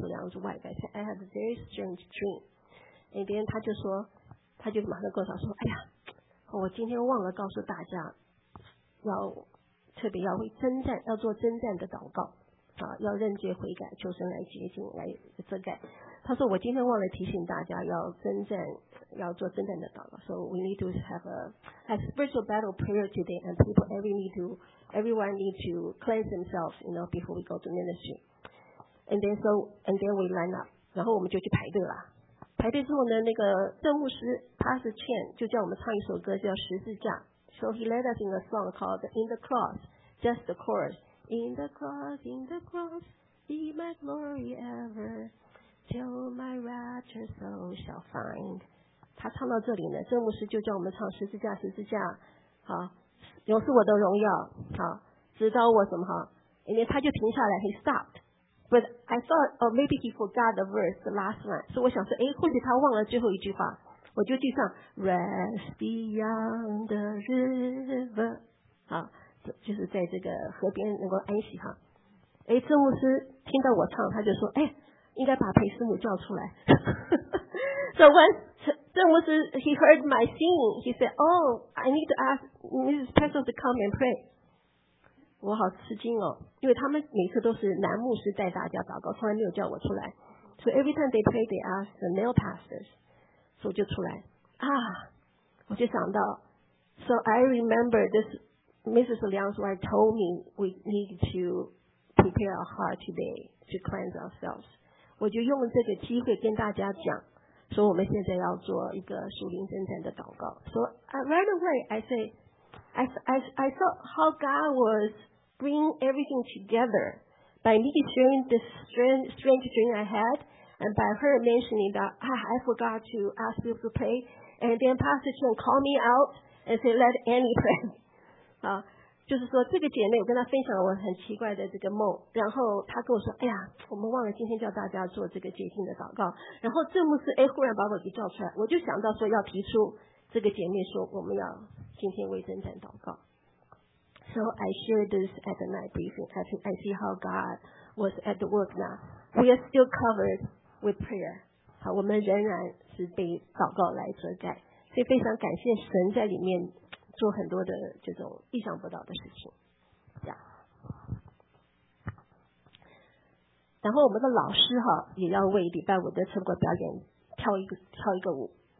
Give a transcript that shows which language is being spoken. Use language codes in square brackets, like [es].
[en] Liang's wife I said I had a very strange dream， [zh] 那边她就说她就马上跟我说哎呀。我今天忘了告诉大家，要特别要会征战，要做征战的祷告啊，要认罪悔改，求神来洁净来遮盖。他说我今天忘了提醒大家要征战，要做征战的祷告。 [en] So we need to have a spiritual battle prayer today, and people everyone need to cleanse themselves, you know, before we go to ministry. And then we line up. [zh] 然后我们就去排队了。排队之后呢，那个圣牧师 Pastor Chen 就叫我们唱一首歌叫十字架。 [en] So he led us in a song called In the Cross, just the chorus. In the cross, be my glory ever, till my raptured soul shall find. [zh] 他唱到这里呢，圣牧师就叫我们唱十字架，十字架，好，永是我的荣耀，好，直到我什么好，因为他就停下来 ， [en] he stopped. But I thought, oh, maybe he forgot the verse, the last one. [zh] 所以我想说，哎，或许他忘了最后一句话。我就去唱 [en] Rest beyond the river， [zh] 好，就是在这个河边能够安息哈。哎，圣牧师听到我唱，他就说，哎，应该把裴师母叫出来。 [en] So when 圣牧师 he heard my singing, he said, "Oh, I need to ask Mrs. Pastor to come and pray." [zh] 我好吃惊哦，因为他们每次都是男牧师带大家祷告，从来没有叫我出来。 [en] So every time they pray, they ask the male pastors. [zh] 所以就出来啊，我就想到 ， [en] So I remember this Mrs. Liang's wife told me we need to prepare our heart today to cleanse ourselves。 [zh] 我就用这个机会跟大家讲，说我们现在要做一个属灵征战的祷告。 [en] So right away I say, I saw how God was bringing everything together by me sharing this strange dream I had. And by her mentioning that, I forgot to ask people to pray. And then Pastor Chen called me out and said, let Annie pray. [zh] 啊，就是说这个姐妹，我跟她分享了我很奇怪的这个梦。然后她跟我说，哎呀，我们忘了今天叫大家做这个洁净的祷告。然后郑牧师，哎，忽然把我给叫出来，我就想到说要提出这个姐妹说，我们要今天为征战祷告。 [en] So I shared this at the night briefing. I see how God was at the work now. We are still covered with prayer. [zh] 好，我们仍然是被祷告来遮盖，所以非常感谢神在里面做很多的这种意想不到的事情。 [en] Yeah. [zh] 然后我们的老师哈也要为礼拜五的成果表演跳一个舞。